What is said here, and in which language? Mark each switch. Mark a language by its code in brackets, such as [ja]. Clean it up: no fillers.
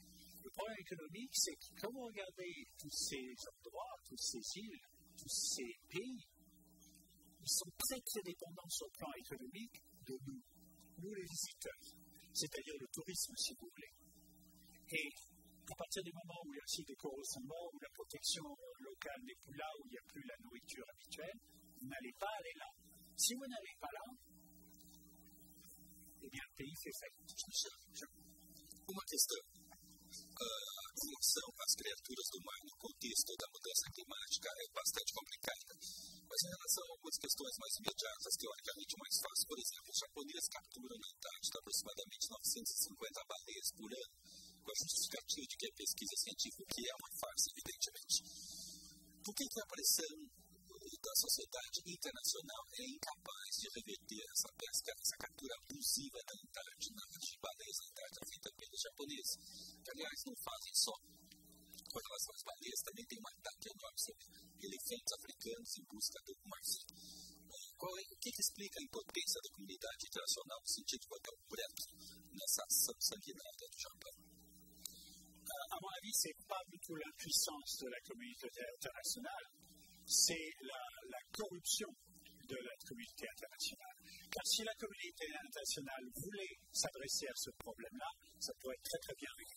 [fr] Le problème économique, c'est que quand vous regardez tous ces endroits, toutes ces îles, tous ces pays, ils sont très, très dépendants sur le plan économique de nous, nous les visiteurs, c'est-à-dire le tourisme, si vous voulez. Et à partir du moment où il y a aussi des coraux sont morts, où la protection locale n'est plus là, où il n'y a plus la nourriture habituelle, vous n'allez pas aller là. Si vous n'allez pas là, eh bien, le pays fait faillite. Monsieur, [pt] Jean. Uma questão. Como são as criaturas do mar no contexto da mudança climática é bastante complicada. Mas em relação a algumas questões mais imediatas, teoricamente mais fácil, por exemplo, os japoneses capturam na Antártida aproximadamente 950 baleias por ano, com a justificativa de que a pesquisa científica, que é uma farsa, evidentemente. Por que a pressão da sociedade internacional é incapaz de reverter essa pesca, essa captura abusiva da Antártida, de baleias na Antártida, feita pelos japoneses? Que, aliás, não fazem só. Com relação às baleias, também tem um ataque enorme sobre elefantes africanos em busca do mar. O que explica a impotência da comunidade internacional no sentido de bater um preto nessa ação sanguinária do Japão? [fr] À mon avis, ce n'est pas du tout l'impuissance de la communauté internationale, c'est la corruption de la communauté internationale. Car si la communauté internationale voulait s'adresser à ce problème-là, ça pourrait être très très bien.